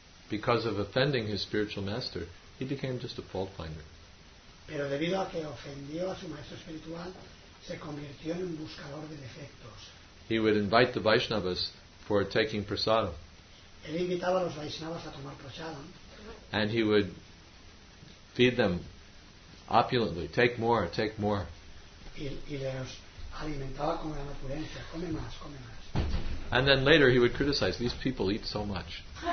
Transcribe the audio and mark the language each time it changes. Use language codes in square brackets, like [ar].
[en] Because of offending his spiritual master, he became just a fault finder. [es] Pero debido a que ofendió a su maestro espiritual, se convirtió en un buscador de defectos. [en] He would invite the Vaishnavas for taking prasadam. [es] Él invitaba a los Vaishnavas a tomar prasadam. [en] And he would feed them opulently. Take more, take more. [es] Y les alimentaba con gran opulencia. Come más, come más. [en] And then later he would criticize, these people eat so much.